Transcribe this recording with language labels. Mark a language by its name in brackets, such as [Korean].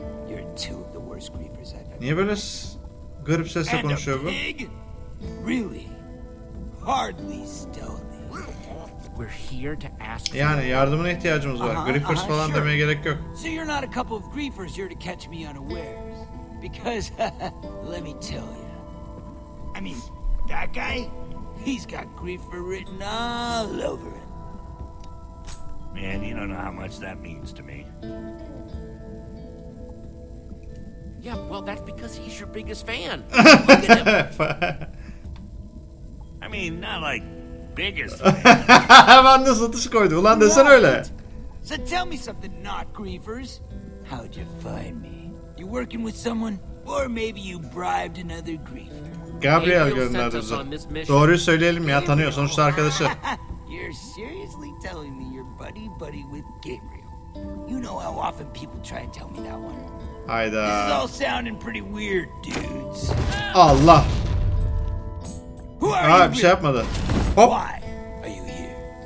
[English] You're two of the worst creepers I've ever. [Turkish] Niye böyle garip sesle konuşuyor bu? [English] Really? Hardly stealthy. We're here to ask. [Turkish] Yani yardımına ihtiyacımız var. Creepers falan sure. Demeye gerek yok. [English] So you're not a couple of creepers here to catch me unawares. Because let me tell you. I mean, that guy, he's got creeper written all over him. Man, you don't know how much that means to me. Yeah, well, that's because he's your biggest fan. Look at him. I mean, not like biggest fan. [Turkish] Hemen de satış koydu. Ulan desene öyle. [English] So tell me something, not creepers. How'd you find me? You working with someone? Or maybe you bribed another griefer. [Turkish] Gabriel gönderdi bizi. Doğruyu söyleyelim ya, tanıyor sonuçta arkadaşı. [English] You're seriously telling me you're buddy buddy with Gabriel. You know how often people try and tell me that one. [Turkish] Hayda. [English] This is all sounding pretty weird, dudes. [Turkish] Allah. [English] Who are you? [Turkish] Aa, bir şey yapmadı. Hop. [English] Why are you here?